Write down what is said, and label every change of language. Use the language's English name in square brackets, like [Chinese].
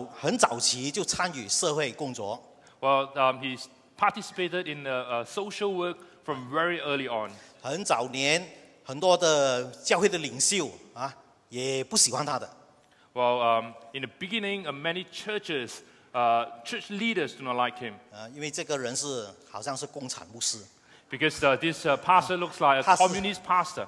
[Chinese] 他是很早期就参与社会工作。 [English] Well, he's participated in the social work from very early on. [Chinese] 很早年，很多的教会的领袖啊，也不喜欢他的。 [English] Well, in the beginning, many churches, church leaders do not like him. [Chinese] 因为这个人是好像是共产牧师。 [English] Because this pastor looks like a communist pastor.